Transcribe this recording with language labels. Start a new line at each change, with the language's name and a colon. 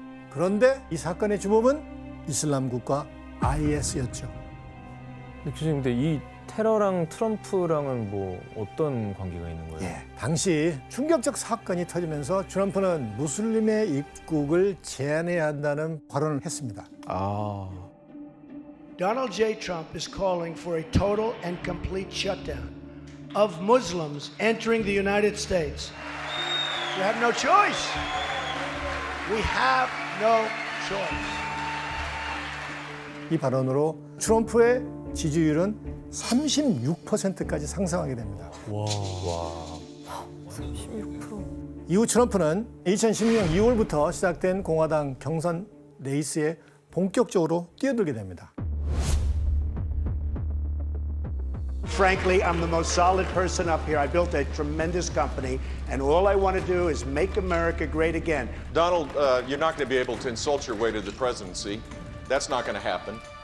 Korean: 그런데 이 사건의 주범은 이슬람 국가 IS였죠. 교수님, 근데 이 테러랑 트럼프랑은 뭐 어떤 관계가 있는 거예요? 예, 당시 충격적 사건이 터지면서 트럼프는 무슬림의 입국을 제한해야 한다는 발언을 했습니다. 아.
English: Donald J. Trump is calling for a total and complete shutdown of Muslims entering the United States. We have no choice. We have no choice.
Korean: 이 발언으로 트럼프의 지지율은 36%까지 상승하게 됩니다. 와. 36%. 이후 트럼프는 2016년 2월부터 시작된 공화당 경선 레이스에 본격적으로 뛰어들게 됩니다.
English: Frankly, I'm the most solid person up here. I built a tremendous company, and all I want to do is make America great again. Donald, you're not going to be able to insult your way to the presidency. That's not going to happen.